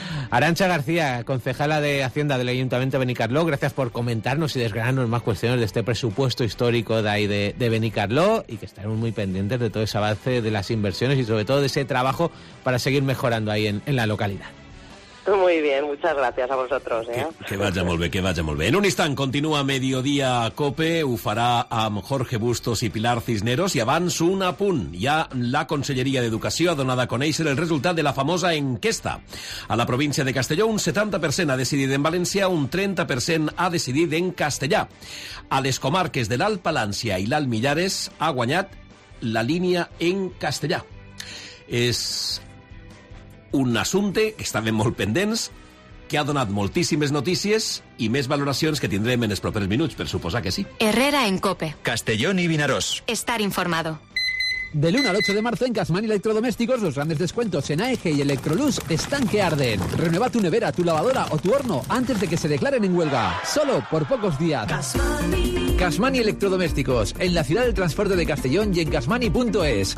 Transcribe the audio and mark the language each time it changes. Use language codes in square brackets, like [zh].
[es] Arantxa García, concejala de Hacienda del Ayuntamiento de Benicarló, gracias por comentarnos y desgranarnos más cuestiones de este presupuesto histórico de ahí de Benicarló, y que estaremos muy pendientes de todo ese avance de las inversiones y sobre todo de ese trabajo para seguir mejorando ahí en la localidad. Muy bien, muchas gracias a vosotros. [ca] Que vaya molt bé, que vaya molt bé. En un instant continua Mediodía COPE, ho farà amb Jorge Bustos i Pilar Cisneros, i abans un apunt. Ja la Conselleria d'Educació ha donat a conèixer el resultat de la famosa enquesta. A la província de Castelló, un 70% ha decidit en valencià, un 30% ha decidit en castellà. A les comarques de l'Alt Palància i l'Alt Millares ha guanyat la línia en castellà. És un assumpte que estàvem molt pendents, que ha donat moltíssimes notícies i més valoracions que tindrem en els propers minuts, per suposar que sí. [es] Herrera en COPE. Castellón y Vinaròs. Estar informado. Del 1 al 8 de marzo en Casman Electrodomésticos, los grandes descuentos en AEG y Electrolux están que arden. Renueva tu nevera, tu lavadora o tu horno antes de que se declaren en huelga. Solo por pocos días. Casman Electrodomésticos, en la ciudad del transporte de Castellón y en casmani.es.